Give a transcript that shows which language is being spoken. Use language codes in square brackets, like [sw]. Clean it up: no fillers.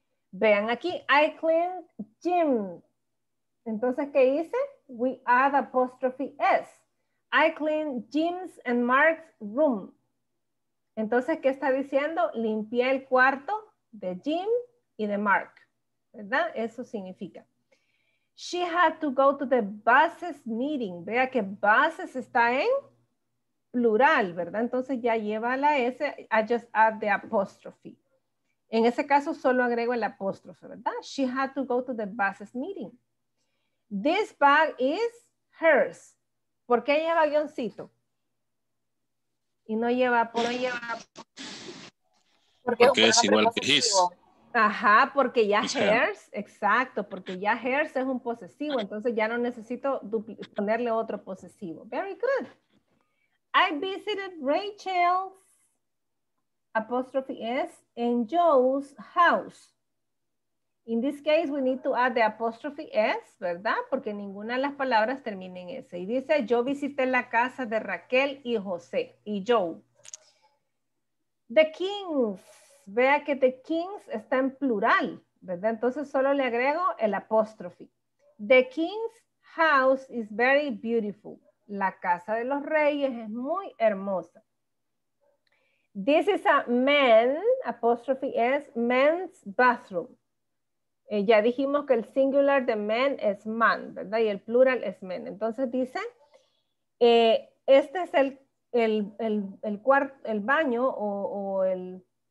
[es] Vean aquí, [en] I cleaned gym. [es] Entonces, ¿qué hice? [en] We add apóstrofe s. I clean Jim's and Mark's room. [es] Entonces, ¿qué está diciendo? Limpié el cuarto de Jim y de Mark. ¿Verdad? Eso significa. [en] She had to go to the buses meeting. [es] Vea que buses está en plural, ¿verdad? Entonces ya lleva la S. [en] I just add the apostrophe. [es] En ese caso solo agrego el apóstrofe, ¿verdad? [en] She had to go to the buses meeting. This bag is hers. [es] ¿Por qué lleva guioncito? Y no lleva apóstrofe. Porque es igual que his. Ajá, porque ya hers, exacto, porque ya hers es un posesivo, entonces ya no necesito ponerle otro posesivo. [en] Very good. I visited Rachel's, apostrophe S, and Joe's house. In this case, we need to add the apostrophe S, ¿verdad? [es] Porque ninguna de las palabras termina en S. Y dice, yo visité la casa de Raquel y José, y Joe. The Kings. Vea que the Kings está en plural, ¿verdad? Entonces solo le agrego el apóstrofe. [en] The King's house is very beautiful. [es] La casa de los reyes es muy hermosa. [en] This is a man, apostrophe S, men's bathroom. [es] Ya dijimos que el singular de men es man, ¿verdad? Y el plural es men. Entonces dice, este es el baño o el...